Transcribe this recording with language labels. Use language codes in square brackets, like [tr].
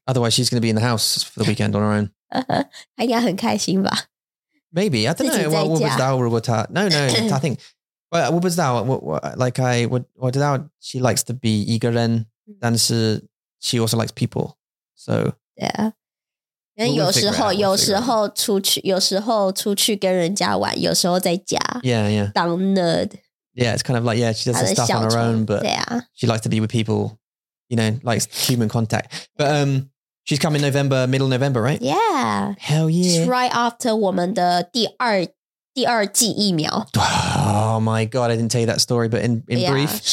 [en] Otherwise she's gonna be in the house for the weekend on her own. Maybe. I don't know. Well, what was that? No, I think she likes to be eager and then she also likes people. So yeah. [zh] 有时候出去跟人家玩，有时候在家。 [en] Yeah, yeah. [zh] 当 nerd. [en] Yeah, it's kind of like, yeah, she does her stuff on her own, but she likes to be with people, you know, likes human contact. But she's coming November, middle November, right? Yeah. Hell yeah. It's right after [zh] 我们的第二剂疫苗. [en] Oh my God, I didn't tell you that story, but in brief.